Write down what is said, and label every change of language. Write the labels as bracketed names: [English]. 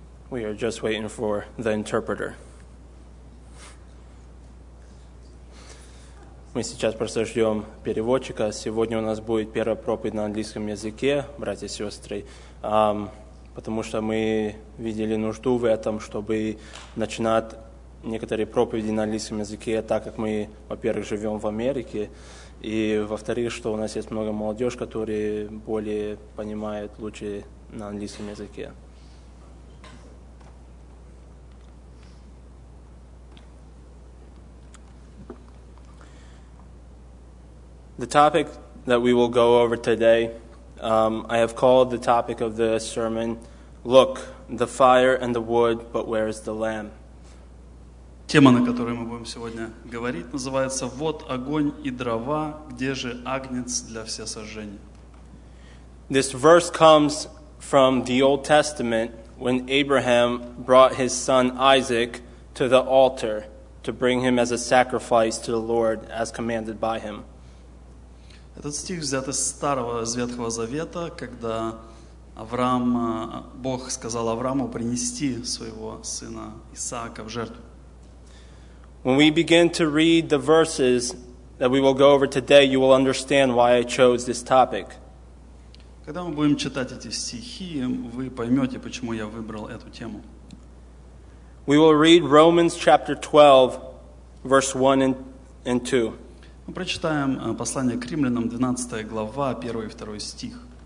[English] We are just waiting for the interpreter. [Russian] Мы сейчас просто ждем переводчика. Сегодня у нас будет первая проповедь на английском языке, братья и сестры, потому что мы видели нужду в этом, чтобы начинать некоторые проповеди на английском языке, так как мы, во-первых, живем в Америке, и, во-вторых, что у нас есть много молодежь, которые более понимают лучше на английском языке. [English] The topic that we will go over today, I have called the topic of the sermon, Look, the fire and the wood, but where is the lamb? [Russian] Тема, на которой мы будем сегодня говорить, называется «Вот огонь и дрова, где же агнец для всесожжения?» [English] This verse comes from the Old Testament when Abraham brought his son Isaac to the altar to bring him as a sacrifice to the Lord as commanded by him. [Russian] Этот стих взят из Старого из Ветхого Завета, когда Авраам, Бог сказал Аврааму принести своего сына Исаака в жертву. [English] When we begin to read the verses that we will go over today, you will understand why I chose this topic. [Russian] Когда мы будем читать эти стихи, вы поймете, почему я выбрал эту тему. [English] We will read Romans chapter 12, verse 1 and 2. [Russian] Мы прочитаем послание к Римлянам, 12 глава, 1 и 2 стих.